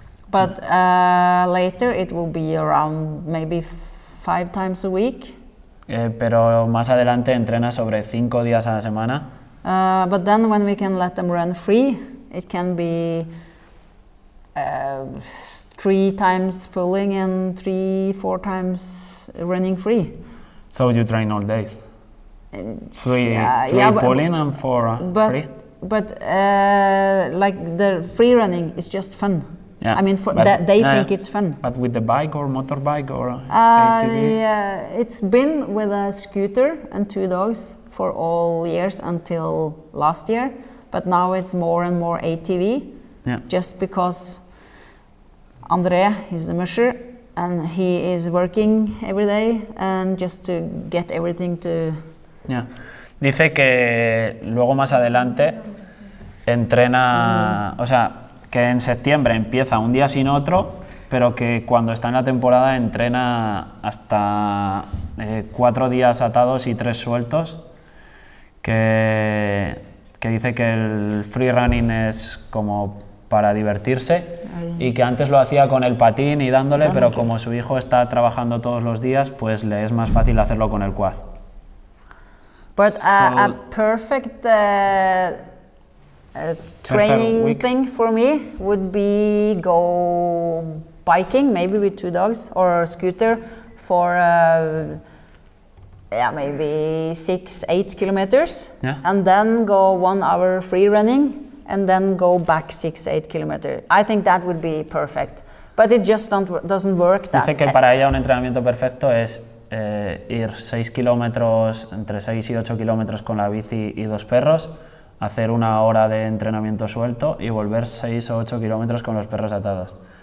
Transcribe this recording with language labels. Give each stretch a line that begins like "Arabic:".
English: But later it will be around maybe 5 times a week.
Spanish: Pero más adelante entrena sobre 5 días a la semana.
English: But then when we can let them run free, it can be 3 times pulling and 3-4 times running free. So you train all days? Three pulling and four free? But like the free running is just fun. Yeah. I mean, they think it's fun. But with the bike or motorbike or ATV? Yeah, it's been with a scooter and 2 dogs for all years until last year. But now it's more and more ATV, Just because André is a musher and he is working every day and just to get everything to... Yeah.
Spanish: Dice que luego más adelante entrena, o sea, que en septiembre empieza un día sin otro, pero que cuando está en la temporada entrena hasta 4 días atados y 3 sueltos, que dice que el free running es como para divertirse y que antes lo hacía con el patín y dándole, pero como su hijo está trabajando todos los días, pues le es más fácil hacerlo con el quad.
English: But a perfect training thing for me would be go biking, maybe with 2 dogs or a scooter for yeah, maybe 6-8 kilometers, and then go 1 hour free running, and then go back 6-8 kilometers. I think that would be perfect, but it just doesn't work that.
Spanish: Dice que para ella un entrenamiento perfecto es ir 6 kilómetros, entre 6 y 8 kilómetros con la bici y 2 perros, hacer 1 hora de entrenamiento suelto y volver 6 o 8 kilómetros con los perros atados.